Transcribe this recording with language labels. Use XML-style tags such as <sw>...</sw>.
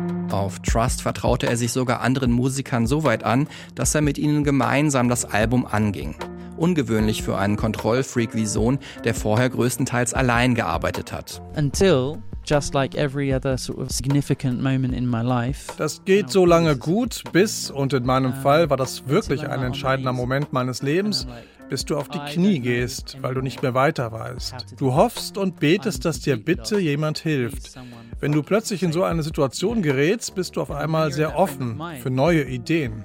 <de>Auf Trust vertraute er sich sogar anderen Musikern so weit an, dass er mit ihnen gemeinsam das Album anging. Ungewöhnlich für einen Kontrollfreak wie Sohn, der vorher größtenteils allein gearbeitet hat.</de> <en>Until, just like every other sort of significant moment in my life.</en> <de>Das geht so lange gut, bis, und in meinem Fall war das wirklich ein entscheidender Moment meines Lebens, bis du auf die Knie gehst, weil du nicht mehr weiter weißt. Du hoffst und betest, dass dir bitte jemand hilft. Wenn du plötzlich in so eine Situation gerätst, bist du auf einmal sehr offen für neue Ideen.</de>